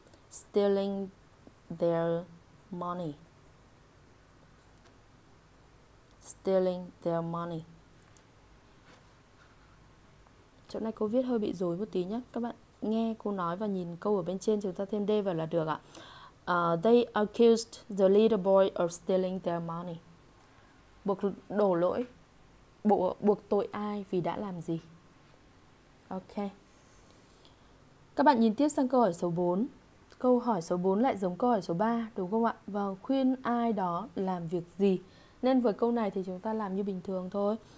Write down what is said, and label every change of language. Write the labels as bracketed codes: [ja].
[en] Stealing their money. Stealing their money. [vi] Chỗ này cô viết hơi bị rối một tí nhé. Các bạn nghe cô nói và nhìn câu ở bên trên, chúng ta thêm D vào là được ạ. [en] They accused the little boy of stealing their money. [vi] Buộc đổ lỗi, buộc tội ai vì đã làm gì. Ok. Các bạn nhìn tiếp sang câu hỏi số 4. Câu hỏi số 4 lại giống câu hỏi số 3, đúng không ạ? Và khuyên ai đó làm việc gì. Nên với câu này thì chúng ta làm như bình thường thôi.